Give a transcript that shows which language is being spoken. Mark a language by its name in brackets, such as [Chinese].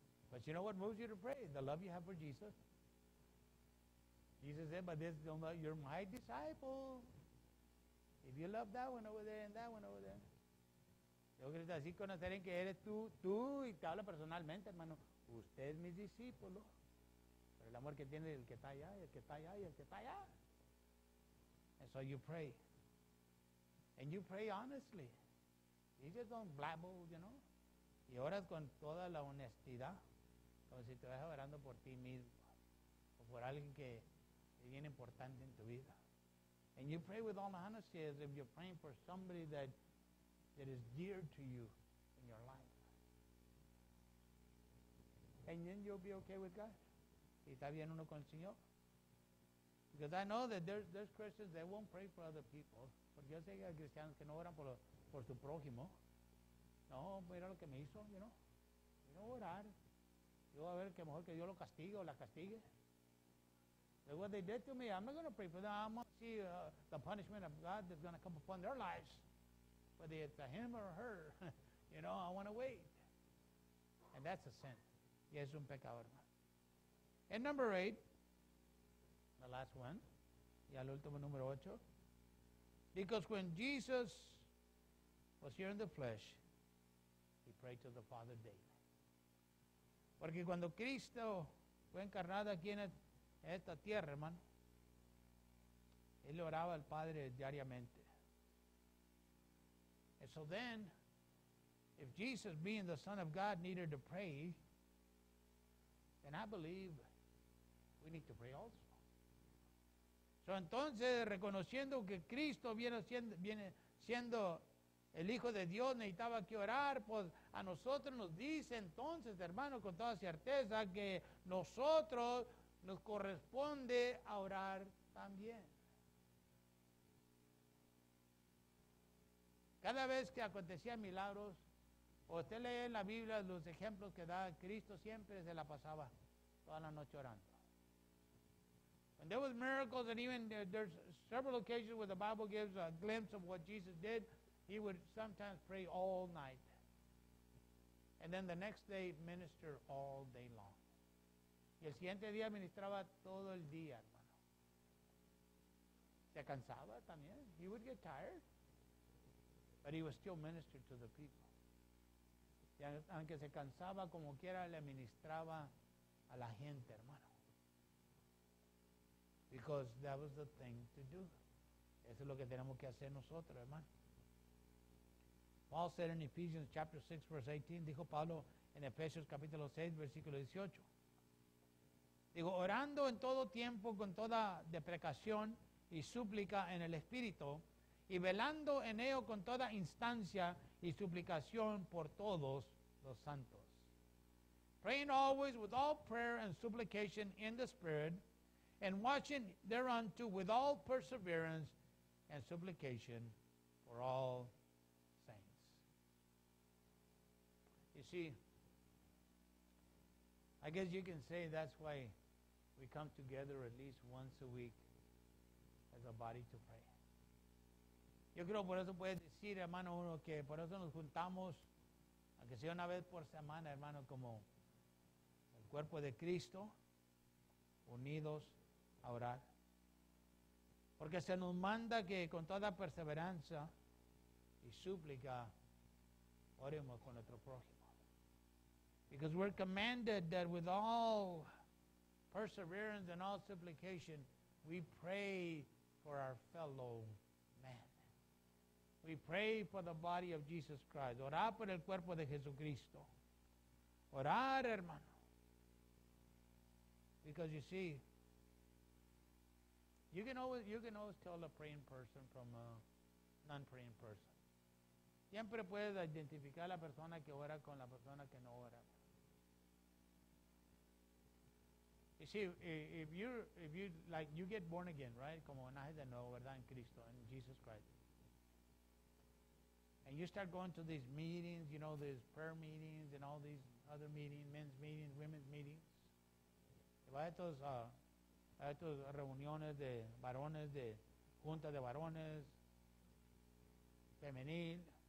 [English] But you know what moves you to pray? The love you have for Jesus. Jesus said, but this is your my disciple. If you love that one over there and that one over there. [Spanish] Yo quiero decir conocer en que eres tú y te hablo personalmente, hermano. Usted es mi discípulo. Por el amor que tiene el que está allá, el que está allá y el que está allá. [English] And so you pray. And you pray honestly. You just don't blabble, you know. [Spanish] Y oras con toda la honestidad, como si te vas orando por ti mismo o por alguien que es bien importante en tu vida. [English] And you pray with all honesty as if you're praying for somebody that is dear to you in your life. And then you'll be okay with God. [Spanish] Y está bien uno con el Señor. [English] Because I know that there's Christians that won't pray for other people. [Spanish] Porque yo sé que hay cristianos que no oran por su prójimo. No, mira lo que me hizo, [English] you know. [Spanish] Yo no voy a orar. Yo voy a ver que mejor que Dios lo castigue o la castigue. [English] Look what they did to me. I'm not going to pray for them. I'm going to see the punishment of God that's going to come upon their lives. Whether it's a him or her, you know, I want to wait. And that's a sin. [Spanish] Y es un pecado, hermano. [English] And number 8, the last one. [Spanish] Y al último número 8. [English] Because when Jesus was here in the flesh, he prayed to the Father daily. [Spanish] Porque cuando Cristo fue encarnado aquí en esta tierra, hermano, él oraba al Padre diariamente. [English] And so then, if Jesus, being the Son of God, needed to pray, then I believe we need to pray also. [Spanish] So entonces, reconociendo que Cristo viene siendo el Hijo de Dios, necesitaba que orar, pues a nosotros nos dice entonces, hermano, con toda certeza, que nosotros nos corresponde a orar también. Cada vez que acontecían milagros, o usted lee en la Biblia los ejemplos que da Cristo, siempre se la pasaba toda la noche orando. [English] When there was miracles, and even there's several occasions where the Bible gives a glimpse of what Jesus did, he would sometimes pray all night. And then the next day, minister all day long. [Spanish] Y el siguiente día ministraba todo el día, hermano. Se cansaba también. [English] He would get tired. But he was still ministering to the people. [Spanish] Y aunque se cansaba, como quiera, le ministraba a la gente, hermano. [English] Because that was the thing to do. [Spanish] Eso es lo que tenemos que hacer nosotros, hermano. [English] Paul said in Ephesians chapter 6, verse 18, [Spanish] dijo Pablo en Efesios capítulo 6, versículo 18. Digo, orando en todo tiempo con toda deprecación y súplica en el Espíritu, y velando en ello con toda instancia y suplicación por todos los santos. [English] Praying always with all prayer and supplication in the Spirit, and watching thereunto with all perseverance and supplication for all saints. You see, I guess you can say that's why we come together at least once a week as a body to pray. [Spanish] Yo creo por eso puedes decir, hermano, uno, que por eso nos juntamos, aunque sea una vez por semana, hermano, como el cuerpo de Cristo, unidos a orar. Porque se nos manda que con toda perseverancia y súplica oremos con nuestro prójimo. [English] Because we're commanded that with all perseverance and all supplication, we pray for our fellow man. We pray for the body of Jesus Christ. [Spanish] Orar por el cuerpo de Jesucristo. Orar, hermano. [English] Because you see, you can always tell a praying person from a non-praying person. [Spanish] Siempre puedes identificar a la persona que ora con la persona que no ora. [English] You see, if you get born again, right? [Spanish] Como naces de nuevo, ¿verdad? En Cristo, en Jesus Christ. [English] And you start going to these meetings, you know, these prayer meetings and all these other meetings, men's meetings, women's meetings. [Spanish] Va a estos reuniones de varones, de junta de varones, femenil.